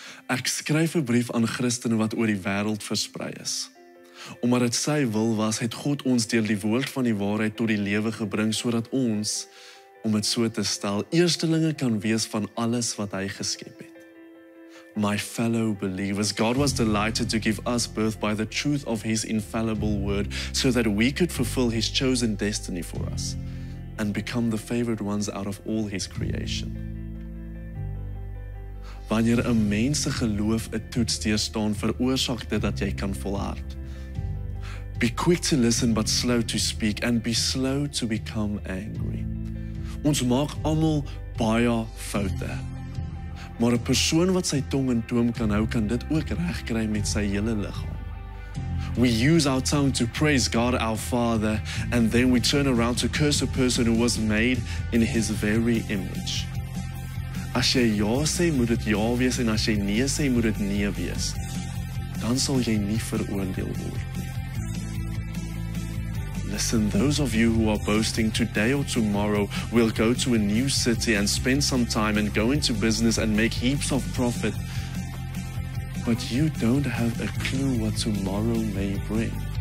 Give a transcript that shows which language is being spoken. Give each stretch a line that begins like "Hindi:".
Afrikaans: Ek skryf 'n brief aan Christene wat oor die wêreld versprei is. Omdat dit sy wil was, het God ons deur die woord van die waarheid tot die lewe gebring sodat ons, om dit so te stel, eerstelinge kan wees van alles wat hy geskep het.
English: My fellow believers, God was delighted to give us birth by the truth of his infallible word so that we could fulfill his chosen destiny for us and become the favored ones out of all his creation.
Afrikaans: Wanneer 'n mens se geloof 'n toets deurstaan, veroorsaak dit dat jy kan volhard.
English: Be quick to listen but slow to speak and be slow to become angry.
Afrikaans: Ons maak almal baie foute. Maar 'n persoon wat sy tong in toom kan hou, kan dit ook regkry met sy hele liggaam.
English: We use our tongue to praise God our Father and then we turn around to curse a person who was made in his very image.
Afrikaans: As jy ja sê, moet dit ja wees en as jy nee sê, moet dit nee wees. Dan sal jy nie veroordeel word.
English: Listen, those of you who are boasting today or tomorrow will go to a new city and spend some time and go into business and make heaps of profit. But you don't have a clue what tomorrow may bring.